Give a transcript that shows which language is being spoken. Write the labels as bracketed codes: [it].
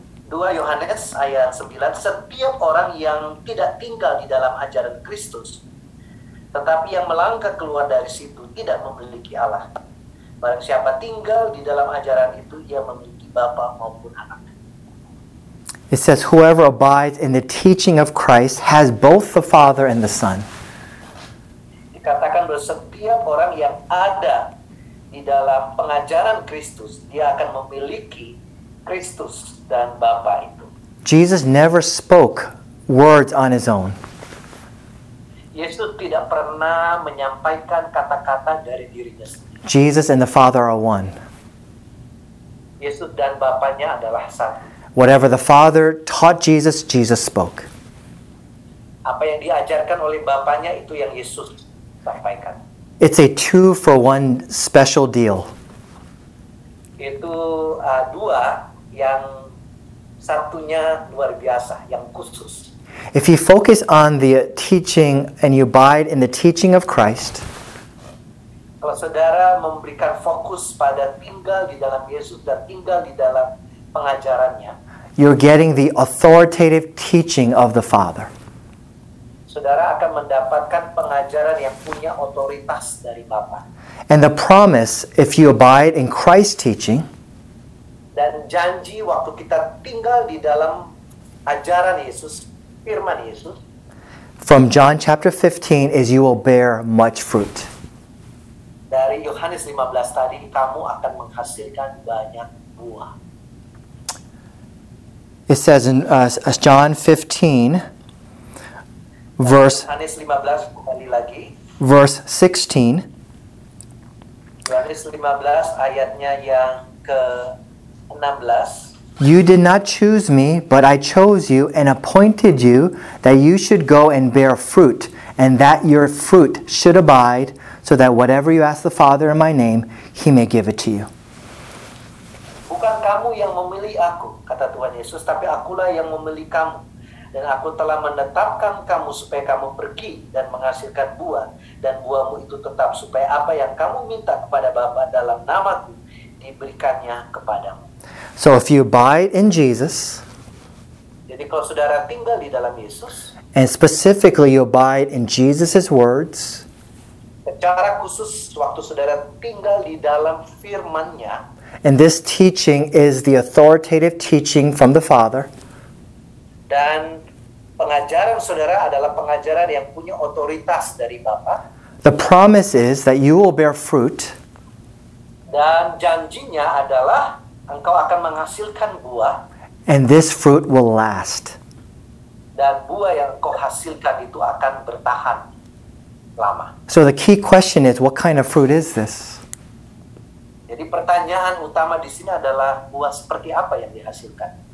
[id] 2 Yohanes ayat 9, setiap orang yang tidak tinggal di dalam ajaran Kristus, tetapi yang melangkah keluar dari situ tidak memiliki Allah. Barang siapa tinggal di dalam ajaran itu, ia memiliki Bapa maupun Anak. [en] It says, whoever abides in the teaching of Christ has both the Father and the Son. [id] Dikatakan bahwa setiap orang yang ada di dalam pengajaran Kristus, dia akan memiliki Kristus dan Bapa itu. [en] Jesus never spoke words on his own. [id] Yesus tidak pernah menyampaikan kata-kata dari dirinya sendiri. [en] Jesus and the Father are one. [id] Yesus dan Bapanya adalah satu. [en] Whatever the Father taught Jesus, Jesus spoke. [id] Apa yang diajarkan oleh Bapanya itu yang Yesus sampaikan. [en] It's a two-for-one special deal. [id] Itu dua yang satunya luar biasa, yang khusus. [en] If you focus on the teaching and you abide in the teaching of Christ, [id] kalau saudara memberikan fokus pada tinggal di dalam Yesus dan tinggal di dalam pengajarannya, [en] you're getting the authoritative teaching of the Father. [id] Saudara akan mendapatkan pengajaran yang punya otoritas dari Bapa. [en] And the promise, if you abide in Christ's teaching, [id] dan janji waktu kita tinggal di dalam ajaran Yesus, firman Yesus, [en] from John chapter 15, is you will bear much fruit. [id] Dari dari Yohanes 15 tadi, kamu akan menghasilkan banyak buah. [en] It says in John 15, verse 16. [id] Yohanes 15 ayatnya yang ke-16. [en] You did not choose me, but I chose you and appointed you that you should go and bear fruit, and that your fruit should abide, so that whatever you ask the Father in my name, he may give it to you. [id] Bukan kamu yang memilih aku, kata Tuhan Yesus, tapi akulah yang memilih kamu. Dan aku telah menetapkan kamu supaya kamu pergi dan menghasilkan buah, dan buahmu itu tetap supaya apa yang kamu minta kepada Bapa dalam namaku diberikannya kepadamu. [en] So if you abide in Jesus, [id] jadi kalau saudara tinggal di dalam Yesus, [en] and specifically you abide in Jesus' words, [id] secara khusus waktu saudara tinggal di dalam firman-Nya, [en] and this teaching is the authoritative teaching from the Father, [id] dan pengajaran saudara adalah pengajaran yang punya otoritas dari Bapa, [en] the promise is that you will bear fruit, [id] dan janjinya adalah engkau akan menghasilkan buah, [en] and this fruit will last. [id] Dan buah yang engkau hasilkan itu akan bertahan lama. [en] So the key question is, what kind of fruit is this? [id] Jadi pertanyaan utama di sini adalah buah seperti apa yang dihasilkan?